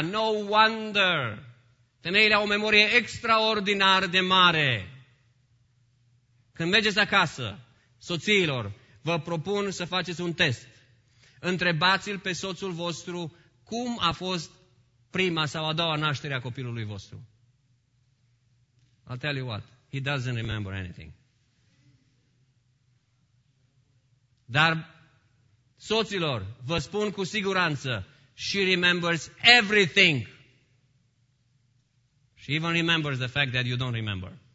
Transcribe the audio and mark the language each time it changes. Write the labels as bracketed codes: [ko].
[en] No wonder. [ro] Femeile au o memorie extraordinar de mare. Când mergeți acasă, soțiilor, vă propun să faceți un test. Întrebați-l pe soțul vostru cum a fost prima sau a doua naștere a copilului vostru. [en] I'll tell you what, he doesn't remember anything. [ro] Dar, soților, vă spun cu siguranță, [en] she remembers everything. [ro] She even remembers the fact that you don't remember.